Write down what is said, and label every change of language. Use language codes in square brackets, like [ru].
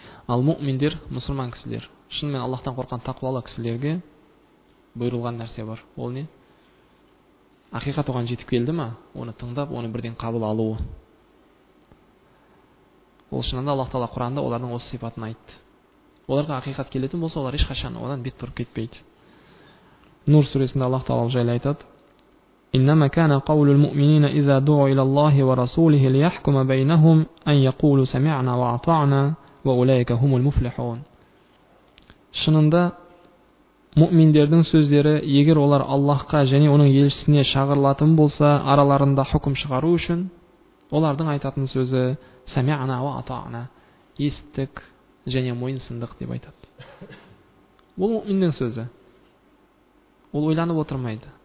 [kk] Ал мұминдер, мұсылман кісілер, шынымен Аллахтан қорқан тақуалы кісілерге бұйырылған нәрсе бар. Ол не? Ақиқат оған жетіп келді ме? Оны тыңдап, оны бірден қабыл алуы. Ол шынында Аллах Таала Құранда олардың осы сипатын айтты. Оларға ақиқат келетін болса, олар ешқашан одан бет бұрып кетпейді. Нур сүресінде Аллах Таала жайлы айтады. [ar] إنما كان قول المؤمنين إذا دعوا إلى الله ورسوله ليحكم بينهم أن يقولوا سمعنا وأطعنا وأولئك هم المفلحون. [kk] Шынында мؤмендердің сөздері егер олар Аллахқа және оның елшісіне шағырылатын болса, араларында хүкім шығару үшін олардың айтатын сөзі [ar] سمعنا وأطعنا. [kk] Естік және мойынсындық деп айтады. Бұл мؤмендің сөзі. Ол ойланып отырмайды.